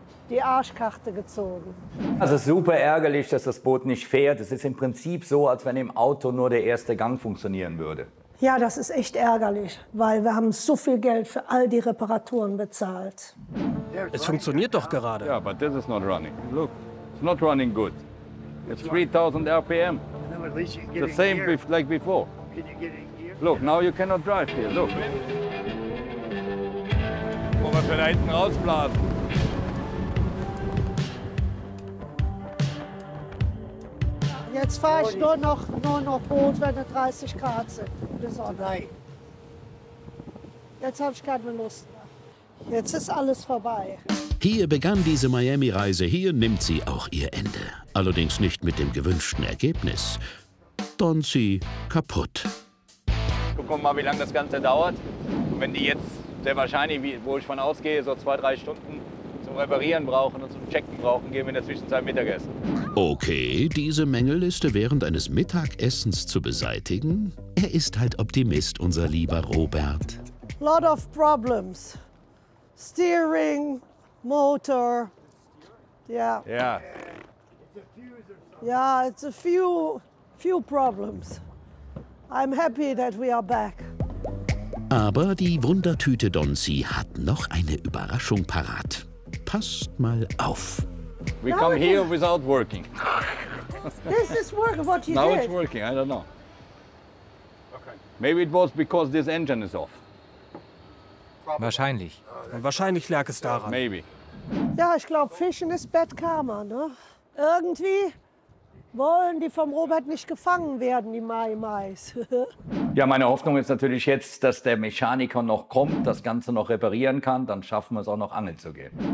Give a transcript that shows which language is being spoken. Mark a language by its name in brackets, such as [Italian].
[German] Die Arschkarte gezogen. Also super ärgerlich, dass das Boot nicht fährt. Es ist im Prinzip so, als wenn im Auto nur der erste Gang funktionieren würde. Ja, das ist echt ärgerlich, weil wir haben so viel Geld für all die Reparaturen bezahlt. Es funktioniert doch gerade. [English] Ja, but this is not running. Look, it's not running good. It's 3000 RPM. The same like before. Can you get in here? Look, now you cannot drive here. Look. [German] Wo wir schon da hinten rausblasen. Jetzt fahre ich nur noch Boot, wenn es 30 Grad sind. Bis online. Jetzt habe ich keine Lust mehr. Jetzt ist alles vorbei. Hier begann diese Miami-Reise, hier nimmt sie auch ihr Ende. Allerdings nicht mit dem gewünschten Ergebnis. Donzi kaputt. Guck mal, wie lange das Ganze dauert. Und wenn die jetzt sehr wahrscheinlich, wo ich von ausgehe, so 2-3 Stunden zum Reparieren brauchen und zum Checken brauchen, gehen wir in der Zwischenzeit Mittagessen. Okay, diese Mängelliste während eines Mittagessens zu beseitigen? Er ist halt Optimist, unser lieber Robert. [English] Lot of problems. Steering, Motor, it's a few problems. I'm happy that we are back. [German] Aber die Wundertüte Donzi hat noch eine Überraschung parat. Passt mal auf. [English] We come here without working. This is work what you now did. Now it's working, I don't know. Okay. Maybe it was because this engine is off. [German] Wahrscheinlich. Wahrscheinlich lag es daran. [English] Maybe. [German] Ja, ich glaube, Fischen ist Bad Karma, ne? Irgendwie wollen die vom Robert nicht gefangen werden, die Mai-Mais. Ja, meine Hoffnung ist natürlich jetzt, dass der Mechaniker noch kommt, das Ganze noch reparieren kann, dann schaffen wir es auch noch angeln zu gehen.